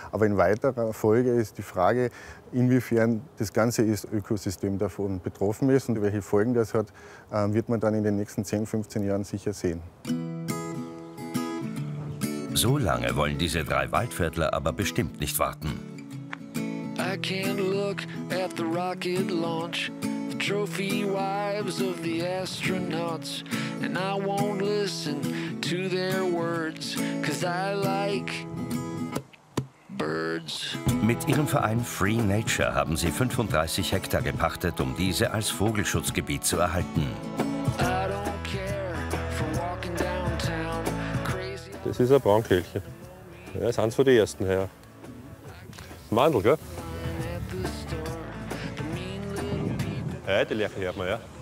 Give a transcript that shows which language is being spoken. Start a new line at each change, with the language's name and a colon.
German: Aber in weiterer Folge ist die Frage, inwiefern das ganze Ökosystem davon betroffen ist und welche Folgen das hat, wird man dann in den nächsten 10, 15 Jahren sicher sehen. So lange wollen diese drei Waldviertler aber bestimmt nicht warten.
English: I can't look at the rocket launch, the trophy wives of the astronauts, and I won't listen to their words, 'cause I like birds.
German: Mit ihrem Verein Free Nature haben sie 35 Hektar gepachtet, um diese als Vogelschutzgebiet zu erhalten.
English: I don't care for walking downtown, crazy.
German: Das ist ein Braunkehlchen. Ja, ist eins von den ersten her. Mandel, gell? Ja, die Lerche hört man, ja.